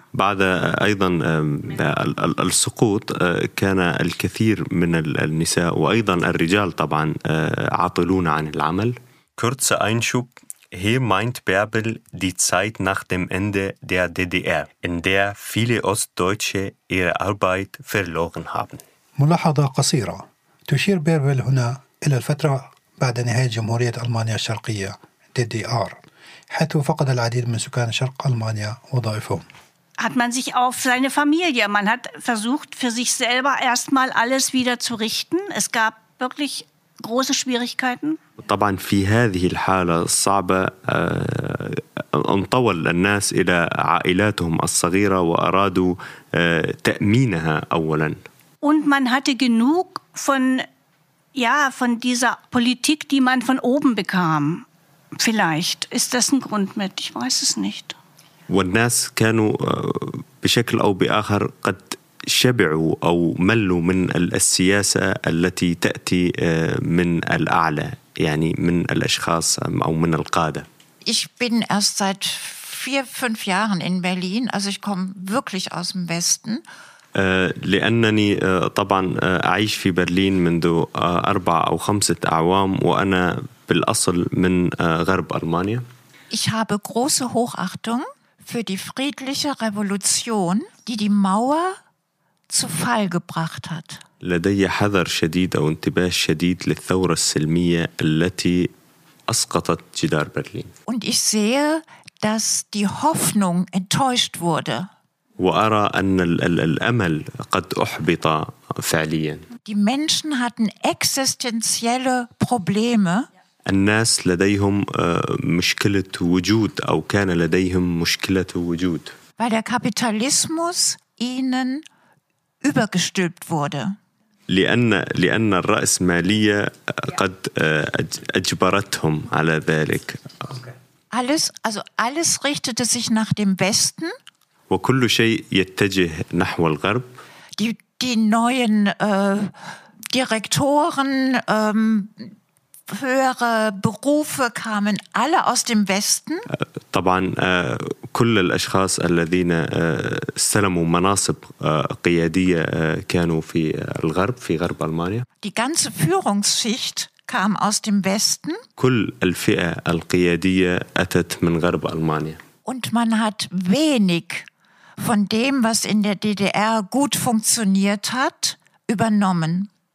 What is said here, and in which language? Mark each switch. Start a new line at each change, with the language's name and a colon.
Arabic: بعد أيضا السقوط كان الكثير من النساء وأيضا الرجال طبعا عاطلون عن العمل.
German: Kurzer Einschub. Hier meint Bärbel die Zeit nach dem Ende der DDR, in der viele Ostdeutsche ihre Arbeit verloren haben.
Arabic: ملاحظة قصيرة تشير بيربل هنا إلى الفترة بعد نهاية جمهورية ألمانيا الشرقية DDR حيث فقد العديد من سكان شرق ألمانيا وظائفهم.
German: Hat man sich auf seine Familie, man hat versucht für sich selber erstmal alles wieder zu richten. Es gab wirklich große Schwierigkeiten.
Arabic: طبعا في هذه الحالة الصعبة انطول الناس إلى عائلاتهم الصغيرة وأرادوا تأمينها أولا.
German: Und man hatte genug von, ja, von dieser Politik, die man von oben bekam. Vielleicht ist das ein Grund mit, ich weiß es nicht.
Arabic: والناس كانوا بشكل أو بآخر قد شبعوا أو ملوا من السياسة التي تأتي من الأعلى يعني من الأشخاص أو من القادة.
German: Ich bin erst seit 4-5 Jahren in Berlin, also ich komme wirklich aus dem Westen.
Arabic: لأنني طبعا أعيش في برلين منذ 4 أو 5 أعوام وأنا بالأصل من غرب ألمانيا.
German: Ich habe große Hochachtung für die friedliche Revolution, die die Mauer zu Fall gebracht hat.
Arabic: لدي حذر شديد أو انتباه شديد للثورة السلمية التي أسقطت جدار برلين.
German: Und ich sehe, dass die Hoffnung enttäuscht wurde.
Arabic: وأرى أن الأمل قد أحبط فعليا.
German: Die Menschen hatten existenzielle Probleme.
Arabic: الناس لديهم مشكلة وجود أو كان لديهم مشكلة وجود.
German: Weil der Kapitalismus ihnen übergestülpt wurde.
Arabic: لأن الرأسمالية قد أجبرتهم على ذلك.
German: Alles richtete sich nach dem Westen.
Arabic: وكل شيء يتجه نحو الغرب.
German: Die neuen Direktoren, höhere Berufe kamen alle aus dem Westen.
Arabic: طبعا كل الأشخاص الذين استلموا مناصب قيادية كانوا في الغرب في غرب ألمانيا.
German: Die ganze Führungsschicht kam aus dem Westen.
Arabic: كل الفئة القيادية أتت من غرب ألمانيا.
German: Und man hat wenig von dem, was in der DDR gut funktioniert hat, übernommen.